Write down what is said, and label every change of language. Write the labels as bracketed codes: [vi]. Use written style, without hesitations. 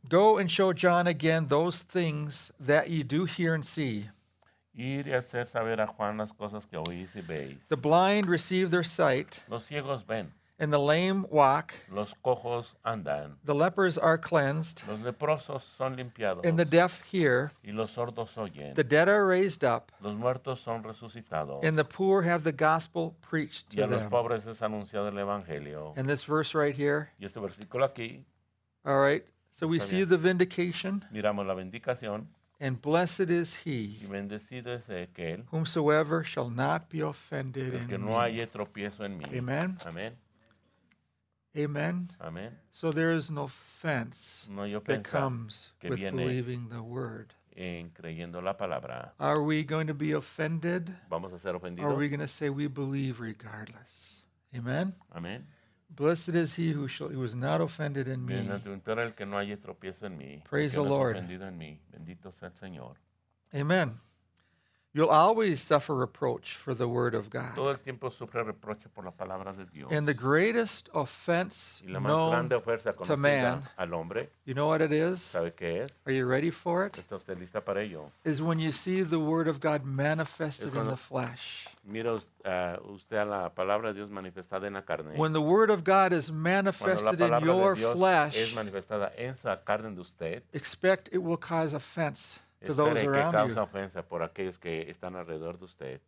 [en] go and show John again those things that you do hear and see. [es] Ir y hacer saber a Juan las cosas que oís y veis. [en] The blind receive their sight. [es] Los ciegos ven. [en] And the lame walk. [es] Los cojos andan. [en] The lepers are cleansed. [es] Los leprosos son limpiados. [en] And the deaf hear. [es] Y los sordos oyen. [en] The dead are raised up. [es] Los muertos son resucitados. [en] And the poor have the gospel preached to [es] y a los [en] them. [es] Pobres es anunciado el evangelio. [en] And this verse right here. [es] Y este versículo aquí. [en] All right. So we see the vindication. [es] Miramos la vindicación. [en] And blessed is he [es] y bendecido es aquel [en] whomsoever shall not be offended [es] es que [en] in [es] no [en] me. [es] Haya tropiezo en mí. [en] Amen. Amen. Amen. Amen. So there is an offense [es] no, [en] that comes with believing the word. [es] En creyendo la palabra. [en] Are we going to be offended? [es] Vamos a ser ofendidos. [en] Or are we going to say we believe regardless? Amen. Amen. Blessed is he who, shall, who is not offended in me. [es] Bendito el que no haya tropiezo en mí. [en] Praise the Lord. [es] Bendito en mí. Bendito sea el Señor. [en] Amen. You'll always suffer reproach for the word of God. [es] Todo el tiempo sufre reproche por la palabra de Dios. [en] And the greatest offense known to man, [es] al hombre, [en] you know what it is? [es] ¿Sabe qué es? [en] Are you ready for it? [es] ¿Está usted lista para ello? [en] Is when you see the word of God manifested in the flesh. [es] Mira usted a la palabra de Dios manifestada en la carne. [en] When the word of God is manifested in your flesh, [es] es manifestada en su carne de usted, [en] expect it will cause offense. To those around [es] que causa ofensa por aquellos que están alrededor de usted.